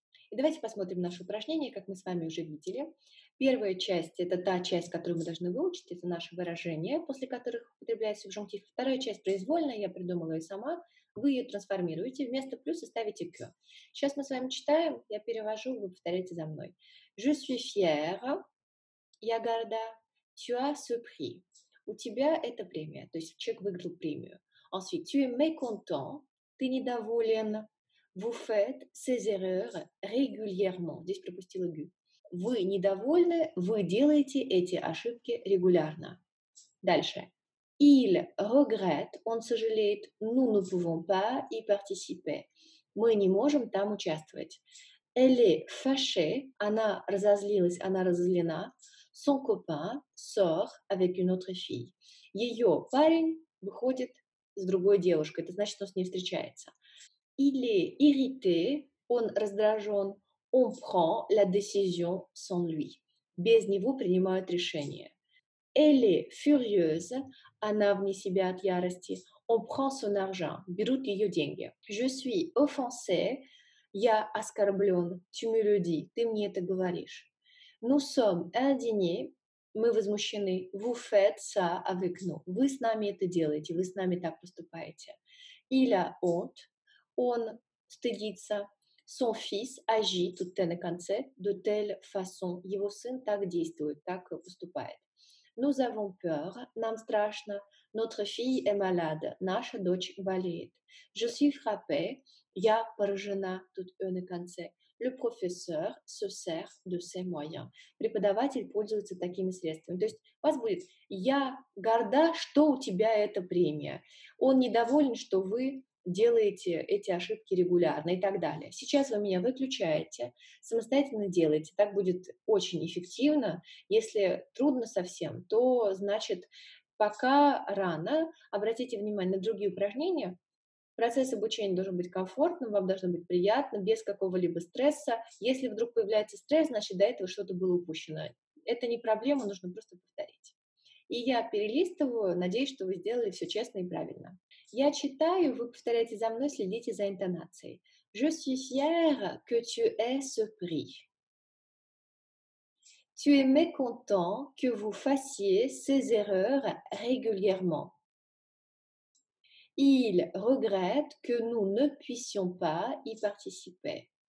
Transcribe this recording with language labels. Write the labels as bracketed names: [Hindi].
[Russian] И давайте посмотрим наше упражнение, как мы с вами уже видели. Первая часть – это та часть, которую мы должны выучить, это наше выражение, после которых употребляется субжонктив. Вторая часть произвольная, я придумала ее сама. Вы ее трансформируете, вместо плюса ставите к. Сейчас мы с вами читаем, я перевожу, вы повторяете за мной. [French] Je suis fière, [Russian] я горда, [French] tu as ce prix. [Russian] У тебя это премия, то есть человек выиграл премию. [French] Ensuite, tu es mécontent, [Russian] ты недоволен. [French] Vous faites ces erreurs régulièrement. [Russian] Здесь пропустила гу. Вы недовольны, вы делаете эти ошибки регулярно. Дальше. [French] Il regrette, [Russian] он сожалеет. [French] Nous ne pouvons pas y participer. [Russian] Мы не можем там участвовать. [French] Elle est fâchée, [Russian] она разозлилась, она разозлена. [French] Son copain sort avec une autre fille. [Russian] Ее парень выходит с другой девушкой. Это значит, что он с ней встречается. [French] Il est irrité, [Russian] он раздражен. [French] On prend la décision sans lui. [Russian] Без него принимают решение. [French] Elle est furieuse, [Russian] она вне себя от ярости. [French] On prend son argent, [Russian] берут ее деньги. [French] Je suis offensé, [Russian] я оскорблен. [French] Tu me le dis, [Russian] ты мне это говоришь. [French] Nous sommes indignés, [Russian] мы возмущены, [French] vous faites ça avec nous, [Russian] вы с нами это делаете, вы с нами так поступаете. [French] Il a honte, [Russian] он стыдится, [French] son fils agit, [Russian] тут t на конце, [French] de telle façon, [Russian] его сын так действует, так поступает. [French] Nous avons peur, [Russian] нам страшно, [French] notre fille est malade, [Russian] наша дочь болеет. [French] Je suis frappée, [Russian] я поражена, тут e на конце. [French] Le professeur se sert de ses moyens. [Russian] Преподаватель пользуется такими средствами. То есть у вас будет «Я горда, что у тебя эта премия». Он недоволен, что вы делаете эти ошибки регулярно и так далее. Сейчас вы меня выключаете, самостоятельно делаете. Так будет очень эффективно. Если трудно совсем, то значит, пока рано. Обратите внимание на другие упражнения. Процесс обучения должен быть комфортным, вам должно быть приятно, без какого-либо стресса. Если вдруг появляется стресс, значит, до этого что-то было упущено. Это не проблема, нужно просто повторить. И я перелистываю, надеюсь, что вы сделали все честно и правильно. Я читаю, вы повторяете за мной, следите за интонацией. [French] Je suis fière que tu aies ce prix. Tu es mécontent que vous fassiez ces erreurs régulièrement. Il regrette que nous ne puissions pas y participer.